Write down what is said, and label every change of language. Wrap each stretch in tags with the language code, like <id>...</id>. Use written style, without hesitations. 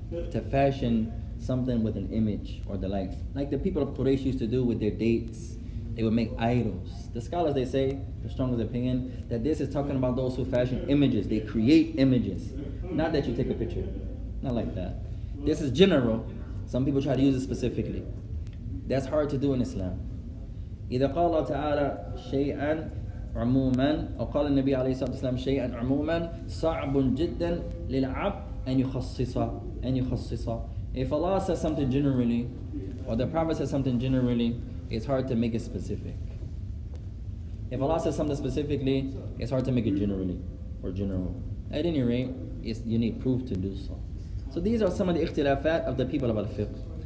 <en>To fashion something with an image or the like. Like the people of Quraysh used to do with their dates. They would make idols. The scholars, they say, the strongest opinion, that this is talking about those who fashion images. They create images. Not that you take a picture. Not like that. This is general. Some people try to use it specifically. That's hard to do in Islam.</en> <ar>إذا قال الله تعالى شيئا عموما أو قال النبي عليه الصلاة والسلام شيئا عموما صعب جدا للعبد أن يخصصه.</ar> <en>If Allah says something generally, or the Prophet says something generally, it's hard to make it specific. If Allah says something specifically, it's hard to make it generally or general. At any rate, you need proof to do so. So these are some of the ikhtilafat of the people of al-fiqh.</en>